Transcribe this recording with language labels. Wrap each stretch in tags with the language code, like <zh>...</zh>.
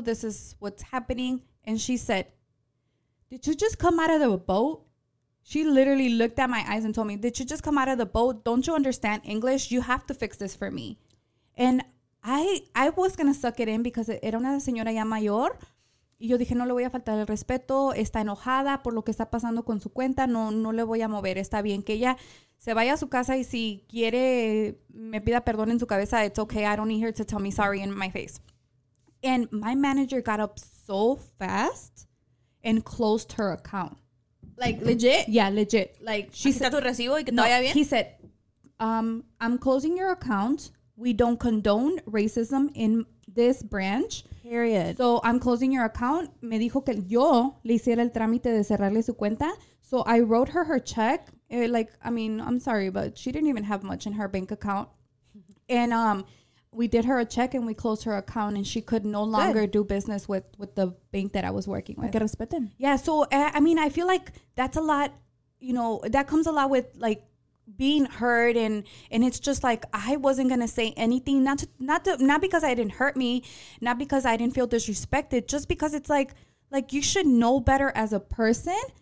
<en>This is what's happening. And she said, did you just come out of the boat? She literally looked at my eyes and told me, did you just come out of the boat? Don't you understand English? You have to fix this for me. And I was going to suck it in because</en> <es>era una señora ya mayor. Y yo dije, no le voy a faltar el respeto. Está enojada por lo que está pasando con su cuenta. No le voy a mover. Está bien que ella se vaya a su casa y si quiere, me pida perdón en su cabeza.</es> <en>It's okay. I don't need her to tell me sorry in my face. And my manager got up so fast and closed her account. Like, legit? Yeah, legit. Like, she said,</en> <es>tu recibo y que no, vaya bien?</es> <en>He said, I'm closing your account. We don't condone racism in this branch. Period. So, I'm closing your account.</en> <es>Me dijo que yo le hiciera el trámite de cerrarle su cuenta.</es> <en>So, I wrote her check. I'm sorry, but she didn't even have much in her bank account. And we did her a check and we closed her account and she could no longer do business with the bank that I was working with.</en> <es>Que respeten.</es> <en>Yeah. So, I mean, I feel like that's a lot, you know, that comes a lot with like being heard and it's just like, I wasn't going to say anything, not because I didn't hurt me, not because I didn't feel disrespected, just because it's like you should know better as a person.</en>